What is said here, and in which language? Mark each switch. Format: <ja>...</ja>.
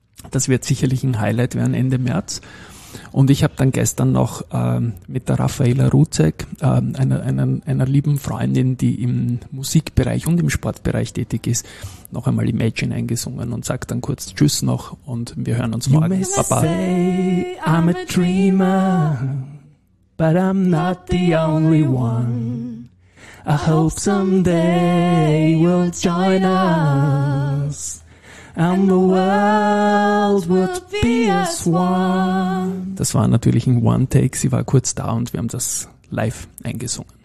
<de>Das wird sicherlich ein Highlight werden Ende März. Und ich habe dann gestern noch mit der Raffaela Ruzek, einer lieben Freundin, die im Musikbereich und im Sportbereich tätig ist, noch einmal Imagine eingesungen und sagt dann kurz Tschüss noch und wir hören uns morgen.</de> <en>You may say I'm a dreamer, but I'm not the only one. I hope someday you'll join us and the world would be as one.</en> <de>Das war natürlich ein One-Take. Sie war kurz da und wir haben das live eingesungen.</de>